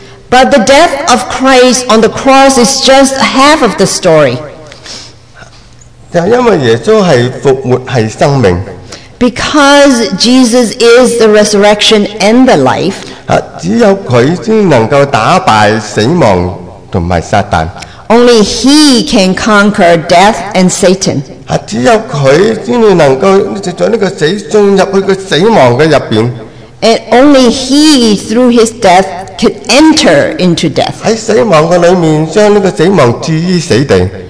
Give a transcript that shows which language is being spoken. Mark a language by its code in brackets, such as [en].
[en] But the death of Christ on the cross is just half of the story. [zh] 因为耶稣是复活，是生命。 [en] Because Jesus is the resurrection and the life, [zh] 只有他才能够打败死亡和撒旦。 [en] Only He can conquer death and Satan. [zh] 只有他才能够进入死亡的里面。 [en] And only He, through His death, could enter into death. [zh] 在死亡的里面，将这个死亡置于死地。